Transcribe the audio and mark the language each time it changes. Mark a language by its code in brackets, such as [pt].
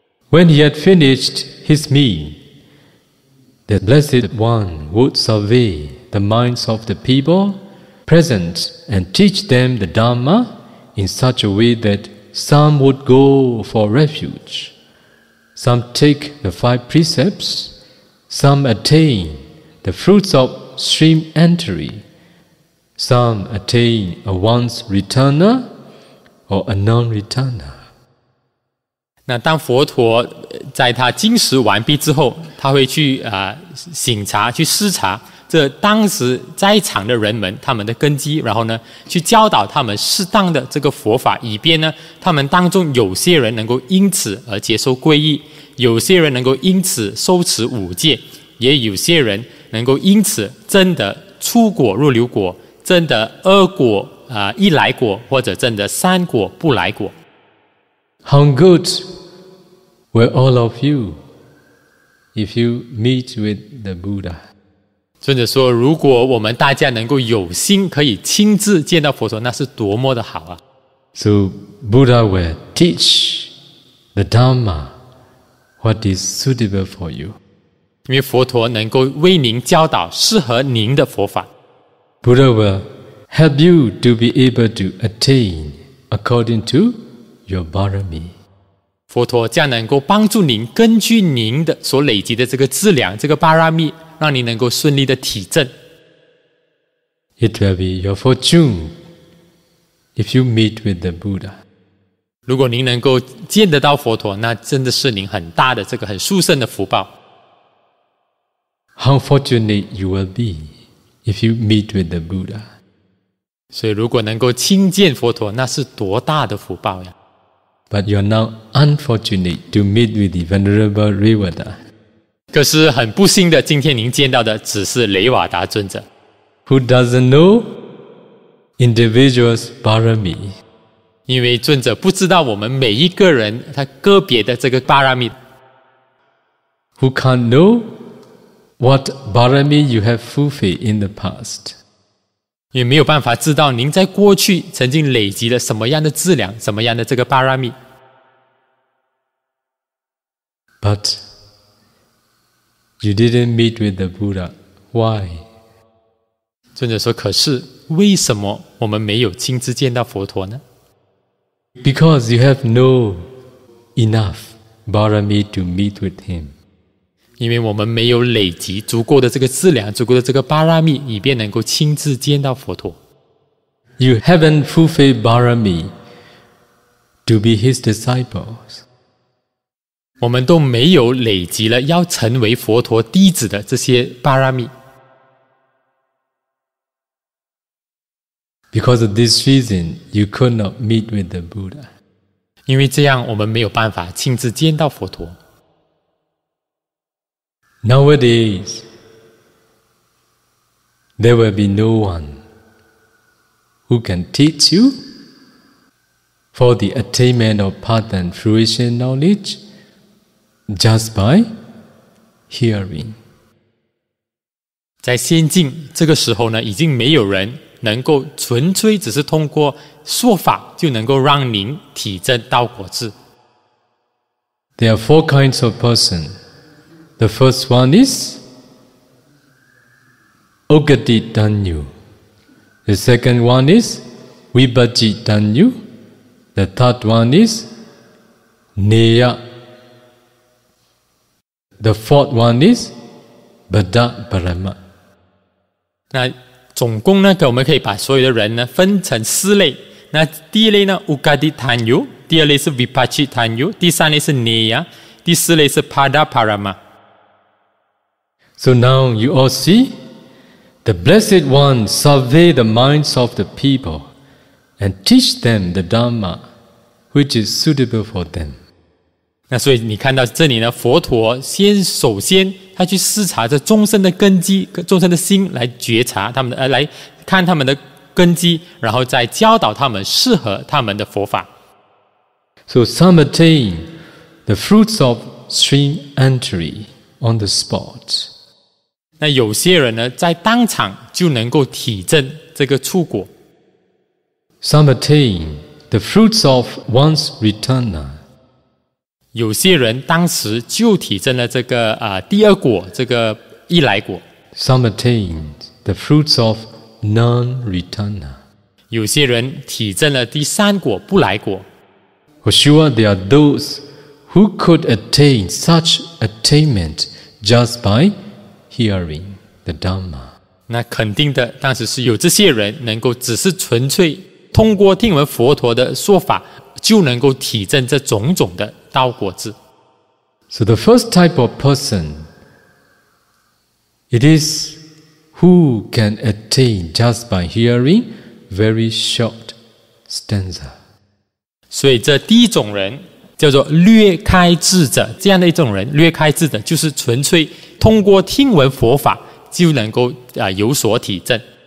[en] When he had finished his meal, the Blessed One would survey the minds of the people present and teach them the Dharma in such a way that some would go for refuge, some take the five precepts, some attain the fruits of stream entry, some attain a once returner or a non-returner. [zh] 那当佛陀在他经食完毕之后，他会去醒察，去视察这当时在场的人们他们的根基，然后呢去教导他们适当的这个佛法，以便呢他们当中有些人能够因此而接受皈依，有些人能够因此受持五戒，也有些人能够因此证得出果入流果，证得二果一来果，或者证得三果不来果。 [en] How good were all of you if you meet with the Buddha? [zh] 尊者说，如果我们大家能够有心可以亲自见到佛陀，那是多么的好啊。 [en] So Buddha will teach the Dharma what is suitable for you. [zh] 因为佛陀能够为您教导适合您的佛法。 [en] Buddha will help you to be able to attain according to your barami. [zh] 佛陀将能够帮助您根据您的所累积的这个资粮，这个 barami, 让您能够顺利的体证。 [en] It will be your fortune if you meet with the Buddha. [zh] 如果您能够见得到佛陀，那真的是您很大的这个很殊胜的福报。 [en] How fortunate you will be if you meet with the Buddha. [zh] 所以如果能够亲见佛陀，那是多大的福报呀。 [en] But you are now unfortunate to meet with the Venerable Rewada. [zh] 可是很不幸的，今天您见到的只是雷瓦达尊者。 [en] Who doesn't know individual's barami? [zh] 因为尊者不知道我们每一个人他个别的这个 barami. [en] Who can't knowWhat barami you have fulfilled in the past? [zh] 也没有办法知道您在过去曾经累积了什么样的资粮，什么样的这个 barami. [en] But you didn't meet with the Buddha. Why? [zh] 尊者说，可是为什么我们没有亲自见到佛陀呢？ [en] Because you have no enough barami to meet with him. [zh] 因为我们没有累积足够的这个资粮，足够的这个巴拉米，以便能够亲自见到佛陀。 [en] You haven't fulfilled barami to be his disciples. [zh] 我们都没有累积了要成为佛陀弟子的这些巴拉米。 [en] Because of this reason, you could not meet with the Buddha. [zh] 因为这样，我们没有办法亲自见到佛陀。 [en] Nowadays, there will be no one who can teach you for the attainment of path and fruition knowledge just by hearing. [zh] 在先进这个时候呢，已经没有人能够纯粹只是通过说法就能够让您体证道果智。 [en] There are four kinds of person. The first one is Ogati Danyu. The second one is Vibhaji Danyu. The third one is Niya. The fourth one is Bada Brahma. [zh] 那总共呢，我们可以把所有的人呢分成四类。那第一类呢 Ugadi Tanyu， 第二类是 Vipachi Tanyu， 第三类是 Niya， 第四类是 Pada Parama。 [en] So now you all see, the Blessed One survey the minds of the people and teach them the Dharma which is suitable for them. [zh] 那所以你看到这里呢，佛陀先首先他去视察着众生的根基、众生的心，来觉察他们的，来看他们的根基，然后再教导他们适合他们的佛法。 [en] So some attain the fruits of stream entry on the spot. [zh] 那有些人呢，在当场就能够体证这个触果。 [en] Some attain the fruits of one's retana。 [zh] 有些人当时就体证了这个第二果，这个一来果。 [en] Some attain the fruits of non-retana。 [zh] 有些人体证了第三果不来果。 [en] For sure, there are those who could attain such attainment just by. Hearing the Dhamma. [zh] 那肯定的，当时是有这些人能够只是纯粹通过听闻佛陀的说法，就能够体证这种种的道果智。 [en] So the first type of person, it is who can attain just by hearing very short stanza. [zh] 所以这第一种人叫做略开智者，这样的一种人，略开智者就是纯粹通过听闻佛法就能够有所体证。